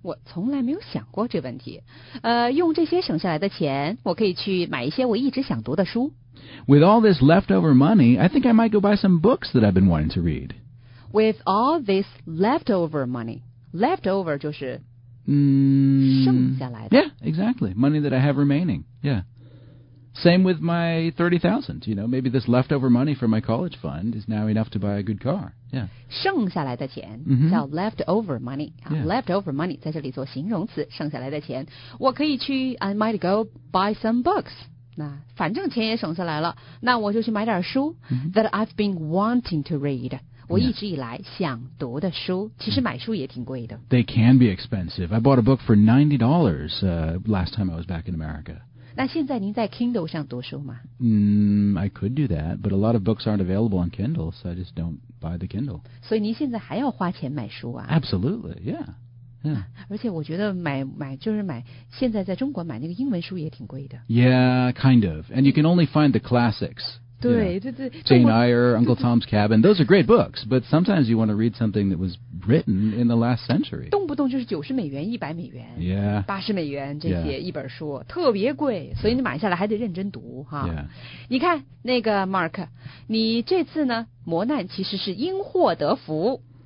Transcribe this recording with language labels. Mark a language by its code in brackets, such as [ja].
[zh] 我从来没有想过这个问题。用这些省下来的钱，我可以去买一些我一直想读的书。 [en] With all this leftover money, I think I might go buy some books that I've been wanting to read. With all this leftover money, leftover [zh] 就是剩下来的。 [en] Yeah, exactly. Money that I have remaining. Yeah. Same with my $30,000. You know, maybe this leftover money from my college fund is now enough to buy a good car. Yeah. [zh] 剩下来的钱叫 leftover money.、 [en] Yeah. [zh] Leftover money 在这里做形容词，剩下来的钱，我可以去 [en] I might go buy some books. [zh] 那反正钱也省下来了，那我就去买点书、 mm-hmm. [en] that I've been wanting to read、 yeah. [zh] 我一直以来想读的书，其实买书也挺贵的。 [en] They can be expensive. I bought a book for $90、last time I was back in America. [zh] 那现在您在 Kindle 上读书吗？ [en] I could do that, but a lot of books aren't available on Kindle, so I just don't buy the Kindle. [zh] 所以您现在还要花钱买书啊？ [en] Absolutely, yeah. [zh] 而且我觉得买就是买现在在中国买那个英文书也挺贵的 [en] Yeah, kind of. And you can only find the classics. [zh] 对 [en] yeah, [zh] 对对 [en] Jane Eyre, Uncle Tom's Cabin. Those are great books. But sometimes you want to read something that was written in the last century. [zh] 动不动就是90美元100美元 [en] Yeah [zh] 80美元这些、一本书特别贵所以你买下来还得认真读哈 [en] Yeah [zh] 你看那个 Mark 你这次呢磨难其实是因祸得福